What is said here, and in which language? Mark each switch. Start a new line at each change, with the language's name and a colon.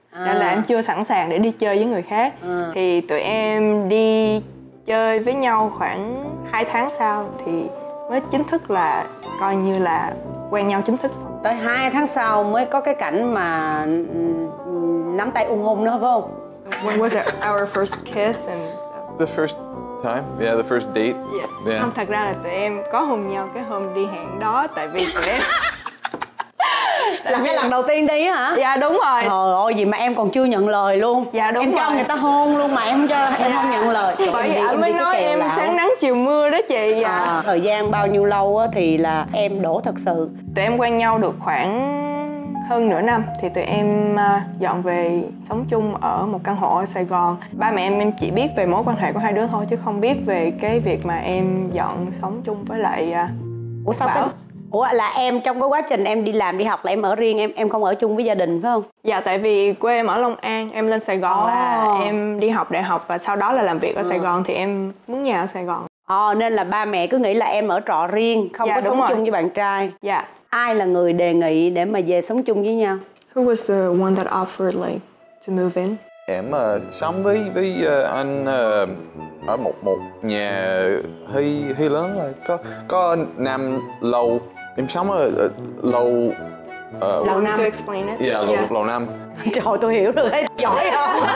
Vietnamese: Nên là em chưa sẵn sàng để đi chơi với người khác. Thì tụi em đi chơi với nhau khoảng 2 tháng sau thì mới chính thức là coi như là quen nhau chính thức. Tới 2 tháng sau mới có cái cảnh mà nắm tay ung hôn nữa phải không?
English: When was it our first kiss and so? The first time, yeah, the first date. Yeah. Yeah.
Vietnamese: Không, thật ra là tụi em có hôn nhau cái hôm đi hẹn đó tại vì tụi em... Là cái lần đầu tiên đi hả? Dạ đúng rồi. Trời ơi, gì mà em còn chưa nhận lời luôn. Dạ đúng em rồi. Em cho người ta hôn luôn mà em cho em không nhận lời. Bởi vậy anh mới nói em lão. Sáng nắng chiều mưa đó chị. Dạ. Thời gian bao nhiêu lâu thì là em đổ thật sự? Tụi em quen nhau được khoảng hơn nửa năm thì tụi em dọn về sống chung ở một căn hộ ở Sài Gòn. Ba mẹ em chỉ biết về mối quan hệ của hai đứa thôi chứ không biết về cái việc mà em dọn sống chung với lại Bảo. Ủa là em trong cái quá trình em đi làm đi học là em ở riêng, em không ở chung với gia đình phải không? Dạ, tại vì quê em ở Long An, em lên Sài Gòn là em đi học đại học và sau đó là làm việc ở Sài Gòn thì em mướn nhà ở Sài Gòn. Nên là ba mẹ cứ nghĩ là em ở trọ riêng, không có sống chung với bạn trai. Dạ. Ai là người đề nghị để mà về sống chung với nhau?
English: Who was the one that offered like to move in?
Vietnamese: Em sống với anh ở một nhà hơi lớn rồi, có năm lầu. Em sống ở lầu lầu năm.
English: To explain it. Yeah,
Vietnamese: lầu,
English: yeah.
Vietnamese: Lầu năm. Trời ơi, tôi hiểu rồi, giỏi không?